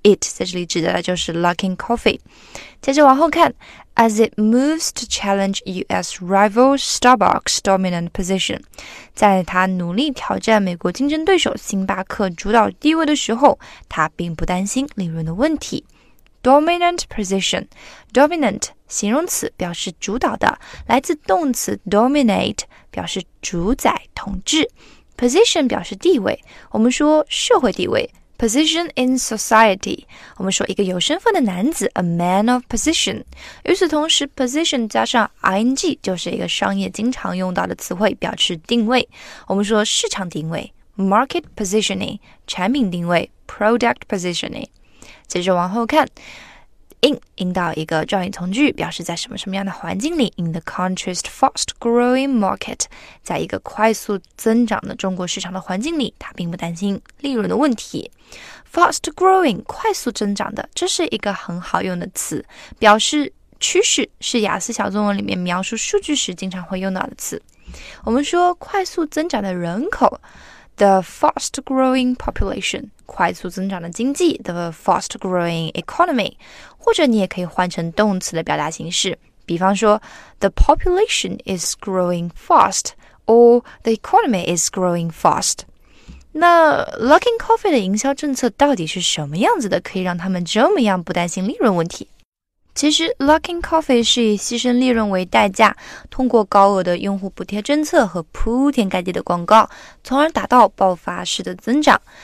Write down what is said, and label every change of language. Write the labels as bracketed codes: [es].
[zh] it 在这里指的就是 Luckin Coffee。接着往后看， [en] as it moves to challenge US rival Starbucks dominant position， [zh] 在它努力挑战美国竞争对手星巴克主导地位的时候，它并不担心利润的问题。 [en] dominant position. [zh] Dominant, 形容词表示主导的，来自动词 dominate, 表示主宰、统治。 Position 表示地位，我们说社会地位。 [en] Position in society, [zh] 我们说一个有身份的男子 [en] a man of position. [zh] 与此同时 position 加上 ing 就是一个商业经常用到的词汇，表示定位。我们说市场定位 [en] market positioning, [zh] 产品定位 [en] product positioning. [zh] 接着往后看 in 到一个状语从句，表示在什么什么样的环境里 [en] in the country's fast growing market, [zh] 在一个快速增长的中国市场的环境里，他并不担心利润的问题。 Fast growing, 快速增长的，这是一个很好用的词，表示趋势，是雅思小作文里面描述数据时经常会用到的词。我们说快速增长的人口 [en] The fast growing population, [zh] 快速增长的经济 [en] The fast growing economy, [zh] 或者你也可以换成动词的表达形式，比方说 [en] The population is growing fast, or the economy is growing fast. [zh] 那 Luckin Coffee 的营销政策到底是什么样子的，可以让他们这么样不担心利润问题？其实 Luckin Coffee 是以牺牲利润为代价，通过高额的用户补贴政策和铺天盖地的广告，从而达到爆发式的增长。